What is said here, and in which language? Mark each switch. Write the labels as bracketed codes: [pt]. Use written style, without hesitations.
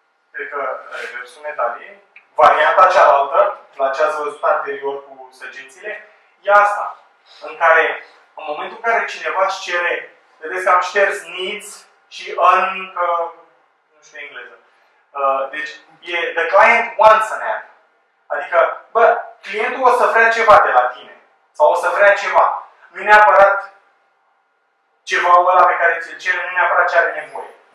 [ro] Reversul medaliei, varianta cealaltă, la ce ați văzut anterior cu săgețile, e asta. În care, în momentul în care cineva își cere, vedeți că am șters needs și încă, nu știu engleză. Deci, e [en] the client wants an app. [ro] Adică, bă, clientul o să vrea ceva de la tine. Sau o să vrea ceva. Nu neapărat ceva ăla pe care ți-l cere, nu neapărat ce are nevoie.